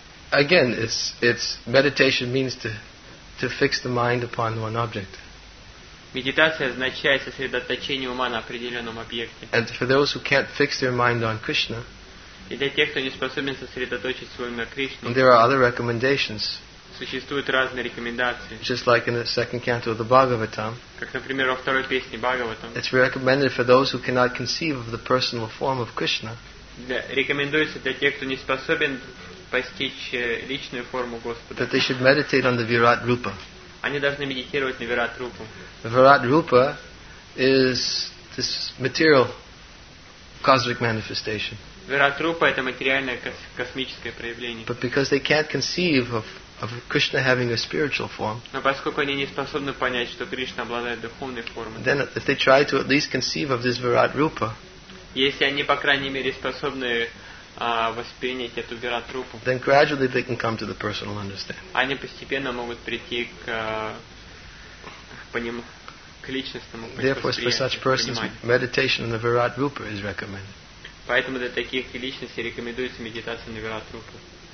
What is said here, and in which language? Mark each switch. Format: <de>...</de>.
<en>Again, it's meditation means to fix the mind upon one object.</en> <ru>Медитация означает сосредоточение ума на определенном объекте.</ru> <en>And for those who can't fix their mind on Krishna,</en> <ru>и для тех, кто не способен сосредоточить свой ум на Кришне,</ru> <en>there are other recommendations.</en> <ru>Существуют разные рекомендации.</ru> <en>Just like in the second canto of the Bhagavatam.</en> <ru>Как, например, во второй песне Бхагаватам.</ru> <en>It's recommended for those who cannot conceive of the personal form of Krishna.</en> <ru>Рекомендуется для тех, кто не способен постичь личную форму Господа.</ru> <en>That they should meditate on the Virat Rupa.</en> <ru>Они должны медитировать на Virat Rupa.</ru> <en>Virat Rupa is this material cosmic manifestation.</en> <ru>Virat Rupa — это материальное космическое проявление.</ru> <en>But because they can't conceive of Krishna having a spiritual form.</en> <ru>Но поскольку они не способны понять, что Кришна обладает духовной формой,</ru> <en>then if they try to at least conceive of this Virat Rupa,</en> <ru>если они по крайней мере способны воспринять эту Virat Rupa,</ru> <en>then gradually they can come to the personal understanding.</en> <ru>Они постепенно могут прийти к личностному восприятию.</ru> <en>Therefore, for such persons, meditation on the Virat Rupa is recommended.</en> <ru>Поэтому для таких личностей рекомендуется медитация на Virat Rupa.</ru>